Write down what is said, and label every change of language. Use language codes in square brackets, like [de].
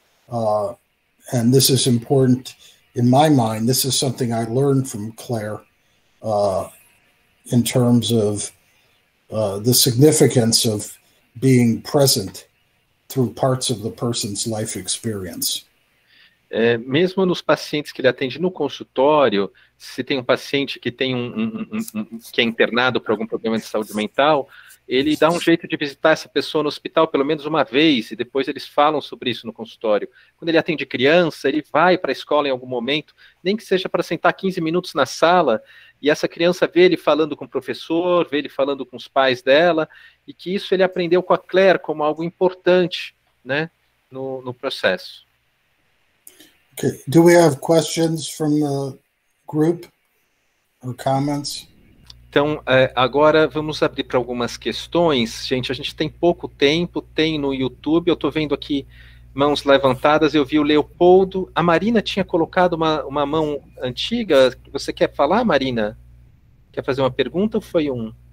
[en] And this is important in my mind. This is something I learned from Clare in terms of the significance of being present through parts of the person's life experience. [pt] Mesmo nos pacientes que ele atende no consultório, se tem um paciente que tem que é internado por algum problema de saúde mental, ele dá um jeito de visitar essa pessoa no hospital pelo menos uma vez, e depois eles falam sobre isso no consultório. Quando ele atende criança, ele vai para a escola em algum momento, nem que seja para sentar 15 minutos na sala, e essa criança vê ele falando com o professor, vê ele falando com os pais dela, e que isso ele aprendeu com a Claire como algo importante, né, no processo. [en] Okay. Do we have questions from the group or comments? [pt] Então, agora vamos abrir para algumas questões. Gente, a gente tem pouco tempo, tem no YouTube, eu estou vendo aqui mãos levantadas, eu vi o Leopoldo. A Marina tinha colocado uma mão antiga. Você quer falar, Marina? Quer fazer uma pergunta ou foi um?